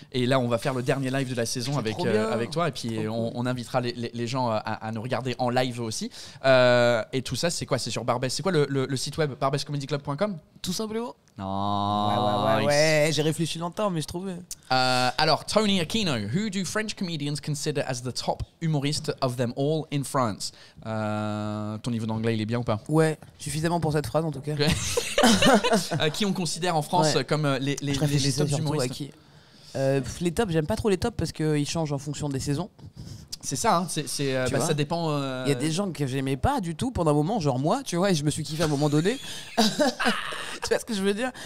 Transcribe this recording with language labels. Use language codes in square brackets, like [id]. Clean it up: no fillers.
[fr] Et là, on va faire le dernier live de la saison avec toi, et puis on invitera les gens à nous regarder en live aussi. Et tout ça, c'est quoi? C'est sur Barbès. C'est quoi le site web? Barbescomedyclub.com? Tout simplement. Oh, ouais, j'ai réfléchi longtemps, mais je trouve. [en] Alors, Tony Aquino, who do French comedians consider as the top humorist of them all in France? [fr] Ton niveau d'anglais, il est bien ou pas? Ouais, suffisamment pour cette phrase en tout cas. Okay. Qui on considère en France comme les top humoristes? Les tops, j'aime pas trop les tops parce qu'ils changent en fonction des saisons. C'est ça, hein. Ça dépend. Il y a des gens que j'aimais pas du tout pendant un moment, genre moi, tu vois, et je me suis kiffé à un moment donné. Tu vois ce que je veux dire?